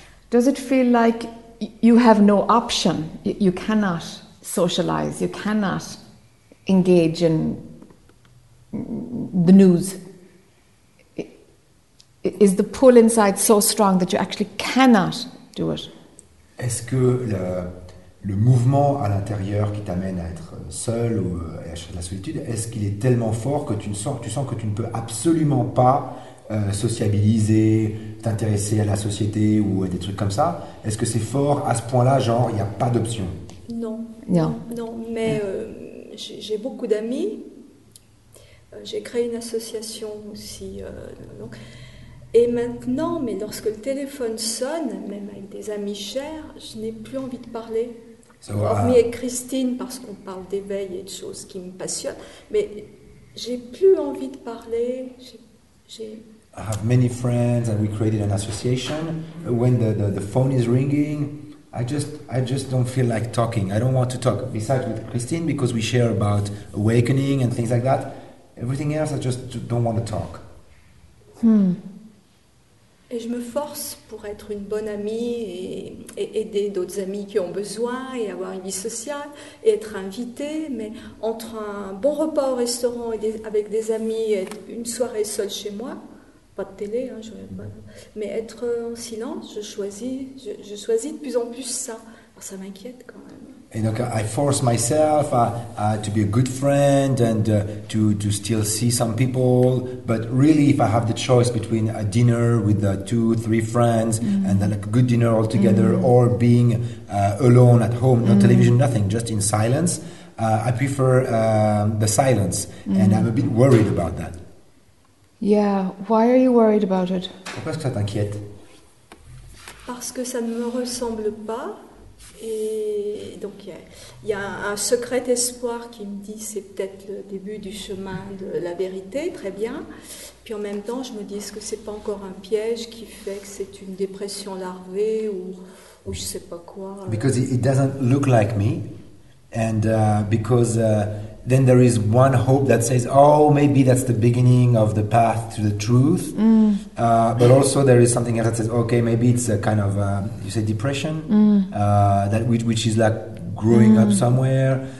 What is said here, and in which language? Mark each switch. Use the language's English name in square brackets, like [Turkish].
[English] Does it feel like you have no option? You cannot socialize, you cannot engage in the news? Is the pull inside so strong that you actually cannot do it? [French] Est-ce que le mouvement à l'intérieur qui t'amène à être seul ou à la solitude, est-ce qu'il est tellement fort que tu sens que tu ne peux absolument pas sociabiliser, t'intéresser à la société ou à des trucs comme ça? Est-ce que c'est fort à ce point-là, genre, il n'y a pas d'option? Non, mais j'ai beaucoup d'amis, j'ai créé une association aussi, donc... Et maintenant, mais lorsque le téléphone sonne, même avec des amis chers, je n'ai plus envie de parler. Hormis avec Christine, parce qu'on parle d'éveil et de choses qui me passionnent, mais j'ai plus envie de parler. [English] I have many friends and we created an association. When the phone is ringing, I just don't feel like talking. I don't want to talk. Besides with Christine, because we share about awakening and things like that. Everything else, I just don't want to talk. [French] Et je me force pour être une bonne amie et aider d'autres amis qui ont besoin et avoir une vie sociale et être invitée. Mais entre un bon repas au restaurant et avec des amis et une soirée seule chez moi, pas de télé, hein, je regarde pas, mais être en silence, je choisis de plus en plus ça. Alors ça m'inquiète quand même. [English] And you know, I force myself to be a good friend and to still see some people. But really, if I have the choice between a dinner with two, three friends and then a good dinner all together or being alone at home, no television, nothing, just in silence, I prefer the silence. And I'm a bit worried about that. Yeah, why are you worried about it? [French] Pourquoi est-ce que ça t'inquiète? Parce que ça ne me ressemble pas. Et donc, il y a un secret espoir qui me dit c'est peut-être le début du chemin de la vérité, très bien. Puis en même temps, je me dis est-ce que c'est pas encore un piège qui fait que c'est une dépression larvée ou je sais pas quoi. [English] Because it doesn't look like me. And then there is one hope that says, oh, maybe that's the beginning of the path to the truth. Mm. But also there is something else that says, okay, maybe it's a kind of, you say depression, mm. that which is like growing mm. up somewhere.